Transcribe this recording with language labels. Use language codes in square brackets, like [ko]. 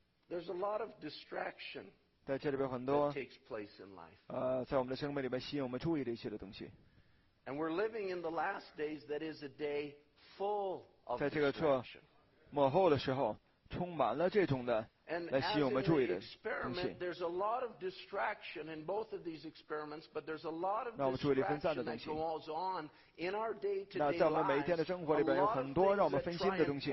[en] There's a lot of distraction. [zh] 在这里边很多 [en] takes place in life. [zh] 在我们的生命里边吸引我们注意的一些的东西。 [en] And we're living in the last days. That is a day full of distraction. [zh] 在这个末后的时候，充满了这种的。来吸引我们注意的东西。 [en] There's a lot of distraction in both of these experiments, but there's a lot of [zh] 那我们注意力分散的东西。 [en] goes on in our day to day [zh] 那在我们每一天的生活里边有很多让我们分心的东西。